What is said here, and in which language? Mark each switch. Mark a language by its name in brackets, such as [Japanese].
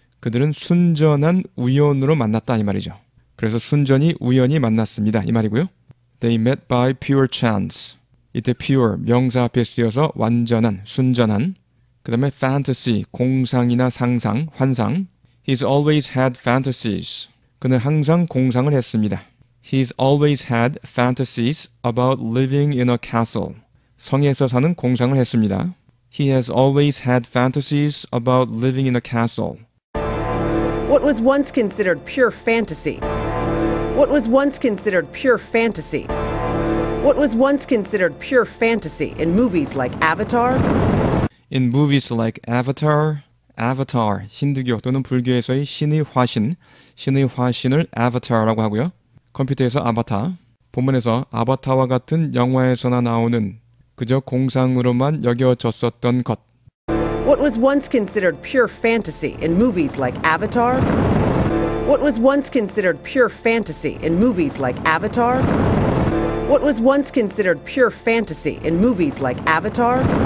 [Korean] 그들은 순전한 우연으로 만났다. 이 말이죠. 그래서 순전히 우연히 만났습니다. 이 말이고요. [English] They met by pure chance. [Korean] 이때 pure, 명사 앞에 쓰여서 완전한, 순전한. 그 다음에 fantasy, 공상이나 상상, 환상. [English] He's always had fantasies. [Korean] 그는 항상 공상을 했습니다. [English] He's always had fantasies about living in a castle. [Korean] 성에서 사는 공상을 했습니다. [English] He has always had fantasies about living in a castle. What was once considered pure fantasy? What was once considered pure fantasy? What was once considered pure fantasy in movies like Avatar? In movies like Avatar, Avatar, [Korean] 힌두교 또는 불교에서의 신의 화신, 신의 화신을 Avatar라고 하고요. 컴퓨터에서 아바타, 본문에서 아바타와 같은 영화에서나 나오는 그저 공상으로만 여겨졌었던 것. [English] What was once considered pure fantasy in movies like Avatar? What was once considered pure fantasy in movies like Avatar? What was once considered pure fantasy in movies like Avatar?